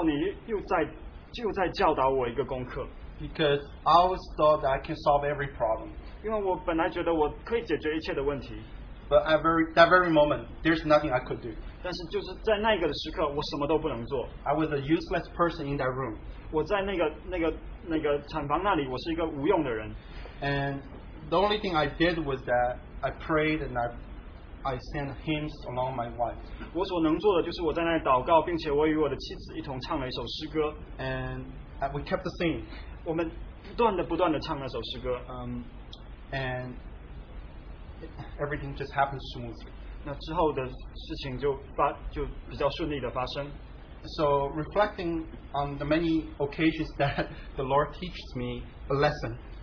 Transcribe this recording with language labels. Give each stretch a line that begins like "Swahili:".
Chinese: 就在那个环，当时我也就祷告说，主啊，主耶稣，我知道你又在教导我一个功课。
English: Because I always thought that I can solve every problem.
Chinese: 因为我本来觉得我可以解决一切的问题。
English: But at that very moment, there's nothing I could do.
Chinese: 但是就是在那个时刻，我什么都不能做。
English: I was a useless person in that room.
Chinese: 我在那个产房那里，我是一个无用的人。
English: And the only thing I did was that I prayed and I sent hymns along my wife.
Chinese: 我所能做的就是我在那里祷告，并且我与我的妻子一同唱了一首诗歌。
English: And we kept the singing.
Chinese: 我们不断的唱那首诗歌。
English: And everything just happened smoothly.
Chinese: 那之后的事情就比较顺利的发生。
English: So reflecting on the many occasions that the Lord teaches me a lesson.